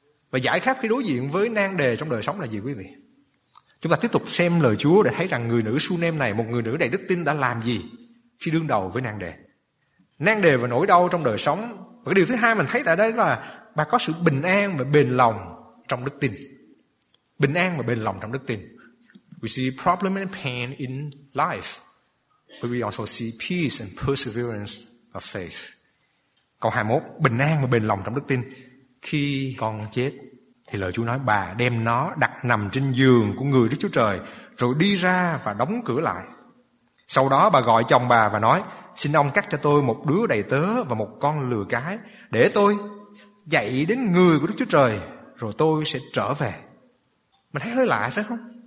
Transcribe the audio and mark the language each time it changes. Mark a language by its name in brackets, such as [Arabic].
[Vietnamese] Và giải pháp khi đối diện với nan đề trong đời sống là gì quý vị? Chúng ta tiếp tục xem lời Chúa để thấy rằng người nữ Sunem này, một người nữ đầy đức tin đã làm gì khi đương đầu với nan đề. Nan đề và nỗi đau trong đời sống. Và cái điều thứ hai mình thấy tại đây là bà có sự bình an và bền lòng trong đức tin. Bình an và bền lòng trong đức tin. [English] We see problem and pain in life, but we also see peace and perseverance of faith. [Vietnamese] Câu 21, bình an và bền lòng trong đức tin. Khi con chết thì lời Chúa nói bà đem nó đặt nằm trên giường của người Đức Chúa Trời, rồi đi ra và đóng cửa lại. Sau đó bà gọi chồng bà và nói, xin ông cắt cho tôi một đứa đầy tớ và một con lừa cái, để tôi dạy đến người của Đức Chúa Trời, rồi tôi sẽ trở về. Mình thấy hơi lạ phải không?